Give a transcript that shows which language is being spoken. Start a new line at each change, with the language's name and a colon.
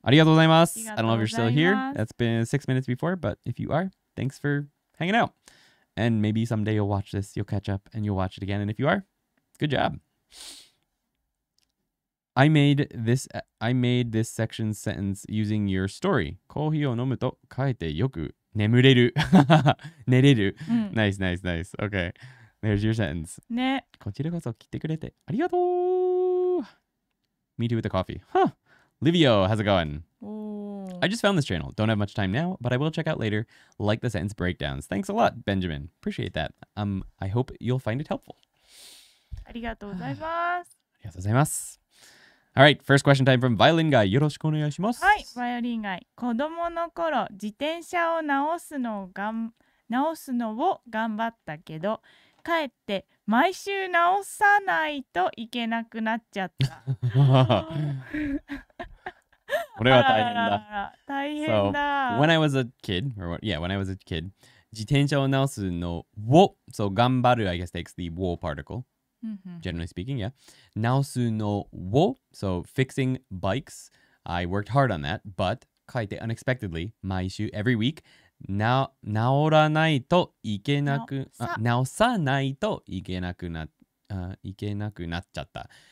Japanese: ありがとうございます.
English: I don't know if you're still here. That's been 6 minutes before, but if you are, thanks for hanging out. And maybe someday you'll watch this, you'll catch up and you'll watch it again. And if you are, good job. I made this section sentence using your story.
Japanese: コーヒーを飲むとかえってよく眠れる。寝れる。うん、
English: nice, nice, nice. Okay. There's your sentence.
Japanese: ね。こちらこそ来てくれてありがとう。
English: Me too with the coffee. Huh. Livio, how's it going? I just found this channel. Don't have much time now, but I will check out later. Like the sentence breakdowns. Thanks a lot, Benjamin. Appreciate that. I hope you'll find it helpful.
Japanese: ありがとうございます。ありがとうございます。
English: All right, first question time from Violin Guy.
Japanese: よろしくお願いします。はい、Violin Guy。子供の頃、自転車を直すのを頑張ったけど、かえって毎週直さないといけなくなっちゃった。これは大変だ。大変だ。
English: So, when I was a kid, or yeah, when I was a kid,
Japanese: 自転車を直すのを、
English: so
Japanese: 頑張る、
English: I guess takes the を particle. Generally speaking, yeah.
Japanese: 直すのを,
English: so fixing bikes, I worked hard on that, but
Japanese: 書いて
English: unexpectedly,
Japanese: 毎週,
English: every week,
Japanese: 直らないといけなく, 直さないといけなくなっちゃった.